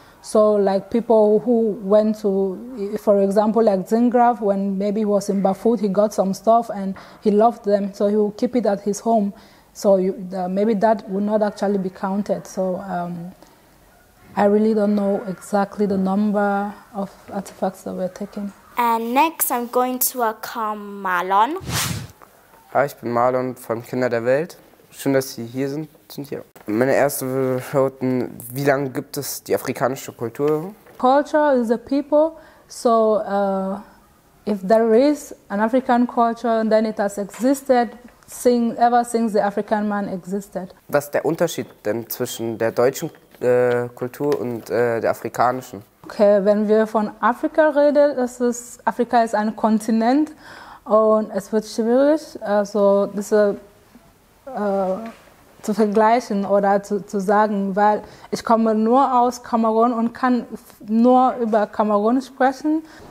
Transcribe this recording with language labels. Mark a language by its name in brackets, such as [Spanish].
[English] So, like, people who went to, for example, like Zingraf, when maybe he was in Bafut, he got some stuff and he loved them, so he would keep it at his home. So maybe that would not actually be counted. So I really don't know exactly the number of artifacts that were taken. And next I'm going to welcome Marlon. [German] Hi, ich bin Marlon von Kinder der Welt. Schön, dass Sie hier sind, Cynthia. Meine erste Frage: Wie lange gibt es die afrikanische Kultur? [English] Culture is a people, so if there is an African culture, then it has existed ever since the African man existed. [German] Was ist der Unterschied denn zwischen der deutschen Kultur und der afrikanischen? Okay, wenn wir von Afrika reden, Afrika ist ein Kontinent und es wird schwierig, also das zu vergleichen oder zu sagen, weil ich komme nur aus Kamerun und kann nur über Kamerun sprechen.